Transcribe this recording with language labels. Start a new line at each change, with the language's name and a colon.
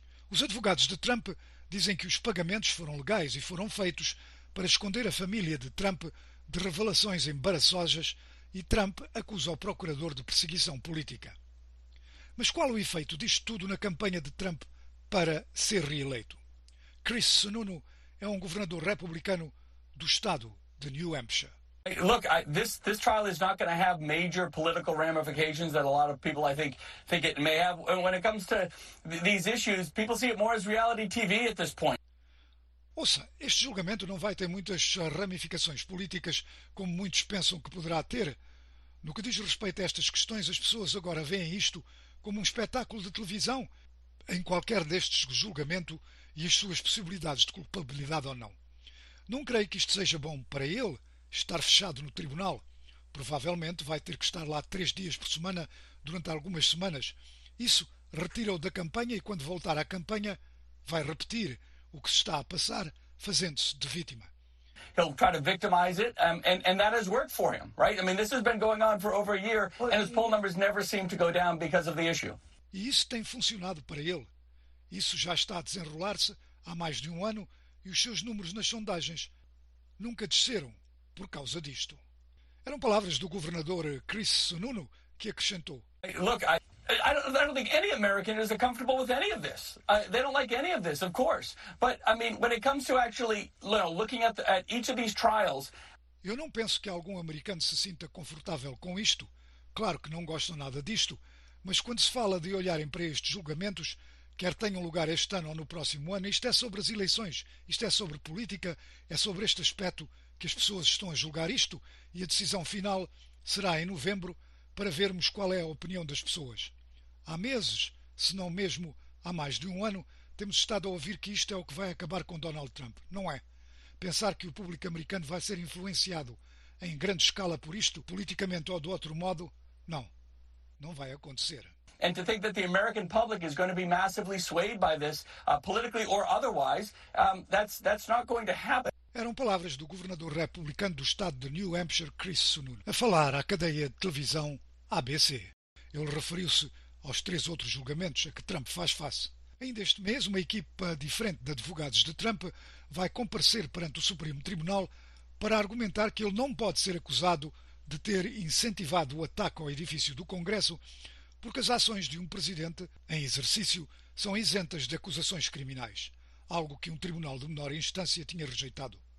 Portuguese: Os advogados de Trump dizem que os pagamentos foram legais e foram feitos para esconder a família de Trump de revelações embaraçosas, e Trump acusa o procurador de perseguição política. Mas qual o efeito disto tudo na campanha de Trump para ser reeleito? Chris Sununu é um governador republicano do estado de New Hampshire.
English: Look, this trial is not going to have major political ramifications that a lot of people, I think it may have. And when it comes to these issues, people see it more as reality TV at this point.
Portuguese: Ouça, este julgamento não vai ter muitas ramificações políticas como muitos pensam que poderá ter. No que diz respeito a estas questões, as pessoas agora veem isto como um espetáculo de televisão em qualquer destes julgamento e as suas possibilidades de culpabilidade ou não. Não creio que isto seja bom para ele estar fechado no tribunal. Provavelmente vai ter que estar lá 3 dias por semana durante algumas semanas. Isso retira-o da campanha e, quando voltar à campanha, vai repetir o que se está a passar, fazendo-se de vítima.
English: He'll try to victimize it, and that has worked for him, right? I mean, this has been going on for over a year, and his poll numbers never seem to go down because of the issue.
Portuguese: E isso tem funcionado para ele. Isso já está a desenrolar-se há mais de um ano e os seus números nas sondagens nunca desceram por causa disto. Eram palavras do governador Chris Sununu, que acrescentou:
English: Look, I don't think any American is comfortable with any of this. They don't like any of this, of course. But I mean, when it comes to actually, you know, looking at each of these trials,
Portuguese: eu não penso que algum americano se sinta confortável com isto. Claro que não gostam nada disto, mas quando se fala de olharem para estes julgamentos, quer tenham lugar este ano ou no próximo ano, isto é sobre as eleições, isto é sobre política, é sobre este aspecto que as pessoas estão a julgar isto, e a decisão final será em novembro, para vermos qual é a opinião das pessoas. há meses, se não mesmo há mais de um ano, temos estado a ouvir que isto é o que vai acabar com Donald Trump, não é? Pensar que o público americano vai ser influenciado em grande escala por isto, politicamente ou de outro modo, não. Não vai acontecer.
English: And to think that the American public is going to be massively swayed by this, politically or otherwise, that's not going to happen.
Portuguese: Eram palavras do governador republicano do estado de New Hampshire, Chris Sununu, a falar à cadeia de televisão ABC. Ele referiu-se aos três outros julgamentos a que Trump faz face. Ainda este mês, uma equipa diferente de advogados de Trump vai comparecer perante o Supremo Tribunal para argumentar que ele não pode ser acusado de ter incentivado o ataque ao edifício do Congresso, porque as ações de um presidente, em exercício, são isentas de acusações criminais, algo que um tribunal de menor instância tinha rejeitado.